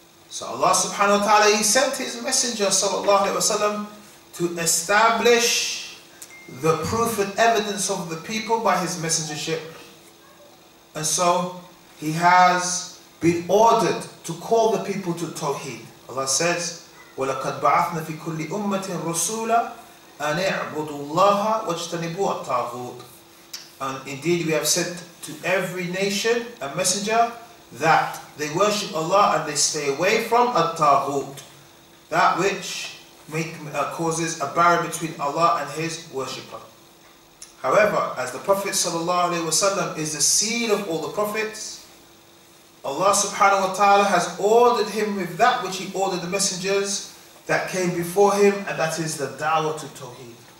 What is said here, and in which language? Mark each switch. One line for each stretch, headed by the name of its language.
English: So Allah subhanahu wa ta'ala, He sent His Messenger sallallahu alayhi wa sallam to establish the proof and evidence of the people by His messengership. And so he has been ordered to call the people to Tawheed. Allah says,
Arabic: وَلَقَدْ بَعَثْنَا فِي كُلِّ أُمَّةٍ رُسُولًا أَنِ اعْبُدُوا اللَّهَ وَاجْتَنِبُوا الطَّاغُوتَ.
English: And indeed we have sent to every nation a messenger that they worship Allah and they stay away from الطَّاغُوتَ, that which causes a barrier between Allah and his worshipper. However, as the Prophet ﷺ is the seal of all the prophets, Allah subhanahu wa ta'ala has ordered him with that which he ordered the messengers that came before him, and that is the da'wah to Tawheed.